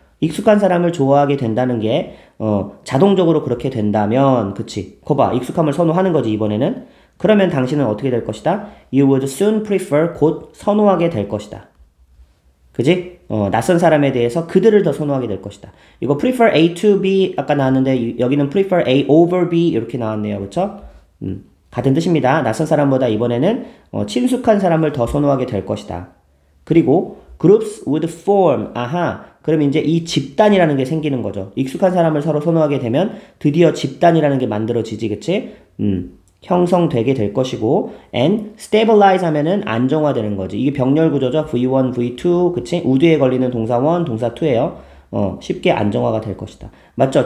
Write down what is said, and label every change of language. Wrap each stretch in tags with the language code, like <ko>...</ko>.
<ko>익숙한 사람을 좋아하게 된다는 게, 자동적으로 그렇게 된다면, 그치. 거 봐. 익숙함을 선호하는 거지, 이번에는. 그러면 당신은 어떻게 될 것이다?</ko> <en>You would soon prefer</en> <ko>곧 선호하게 될 것이다. 그지? 낯선 사람에 대해서 그들을 더 선호하게 될 것이다. 이거</ko> <en>prefer A to B</en> <ko>아까 나왔는데 여기는</ko> <en>prefer A over B</en> <ko>이렇게 나왔네요. 그쵸? 같은 뜻입니다. 낯선 사람보다 이번에는 친숙한 사람을 더 선호하게 될 것이다. 그리고</ko> <en>groups would form.</en> <ko>아하. 그럼 이제 이 집단이라는 게 생기는 거죠. 익숙한 사람을 서로 선호하게 되면 드디어 집단이라는 게 만들어지지. 그치? 형성되게 될 것이고,</ko> <en>and stabilize</en> <ko>하면은 안정화되는 거지. 이게 병렬 구조죠. V1, V2, 그치? 우드에 걸리는 동사 1, 동사 2예요. 쉽게 안정화가 될 것이다. 맞죠?</ko>